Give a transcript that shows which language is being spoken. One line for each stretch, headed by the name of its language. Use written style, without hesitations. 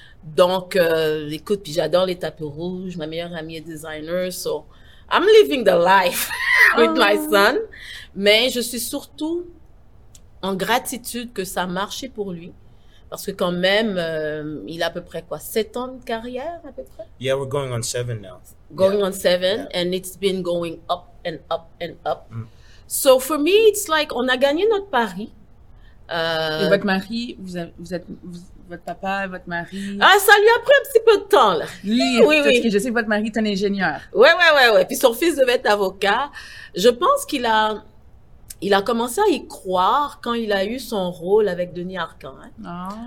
French: Donc, écoute, puis j'adore les tapis rouges, ma meilleure amie est designer,
English: so I'm living the life with my son.
French: Mais je suis surtout en gratitude que ça a marché pour lui. Parce que quand même, il a à peu près quoi, 7 ans de carrière à peu près?
English: Yeah, we're going on 7 now. Going on 7, yeah. And it's been going up and up and up. Mm. So for me, it's like,
French: on a gagné notre pari. Et votre mari, votre papa, votre mari... Ah, ça lui a pris un petit peu de temps, là. Oui. Parce que je sais que votre mari est un ingénieur. Ouais. Puis son fils devait être avocat. Je pense qu'il a... Il a commencé à y croire quand il a eu son rôle avec Denis Arcand. Hein? Oh.